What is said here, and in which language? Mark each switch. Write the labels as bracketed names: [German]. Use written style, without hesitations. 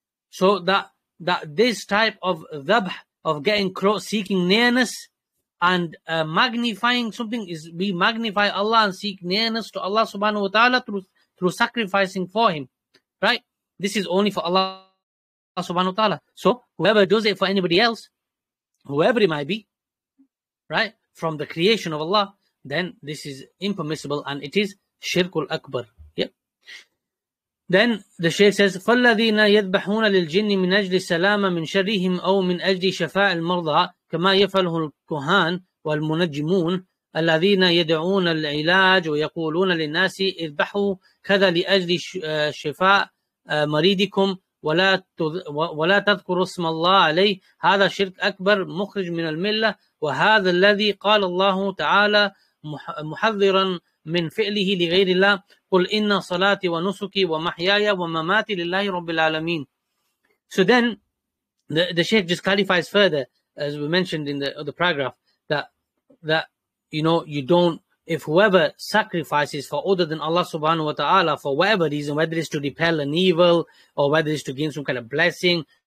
[English] So that this type of dhabh, of getting close, seeking nearness, and magnifying something, is we magnify Allah and seek nearness to Allah subhanahu wa ta'ala through sacrificing for Him. Right? This is only for Allah subhanahu wa ta'ala. So whoever does it for anybody else, whoever it might be, right, from the creation of Allah, then this is impermissible and it is shirkul akbar. Yep. Then the Shaykh says, [Arabic] فَالَّذِينَ يَذْبَحُونَ لِلْجِنِّ مِنْ أَجْلِ السَّلَامَةِ مِنْ شَرِّهِمْ أَوْ مِنْ أَجْلِ شَفَاءِ الْمَرْضَى كما يفعله الكهان والمنجمون الذين يدعون العلاج ويقولون للناس اذبحوا كذا لأجل شفاء مريدكم ولا تذكروا اسم الله عليه هذا شرك أكبر مخرج من الملة وهذا الذي قال الله تعالى محذرا من فعله لغير الله قل إن صلاتي ونسكي ومحياي ومماتي لله رب العالمين. [English] So then the Shaykh just clarifies further, as we mentioned in the other paragraph, that you know, you don't, if whoever sacrifices for other than Allah subhanahu wa ta'ala for whatever reason, whether it's to repel an evil or whether it's to gain some kind of blessing